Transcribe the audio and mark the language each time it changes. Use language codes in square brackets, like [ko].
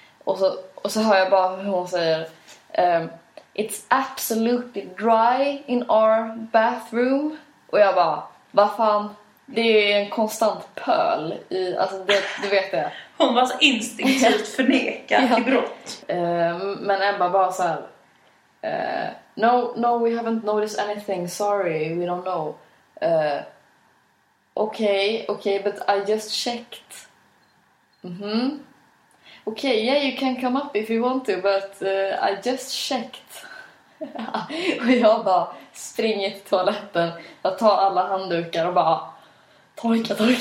[sv] Och så hör jag bara hur hon säger, [en] it's absolutely dry in our bathroom. [sv] Och jag bara, vad fan, det är ju en konstant pöl i, alltså det, du vet det. Hon var så instinktivt förnekad ja. I brott. Men Ebba bara så här, [en] no, we haven't noticed anything, sorry, we don't know. Okay, but I just checked. Mm-hmm. Okay, yeah, you can come up if you want to, but I just checked. [sv] Och jag bara springer till toaletten. Jag tar alla handdukar och bara torka.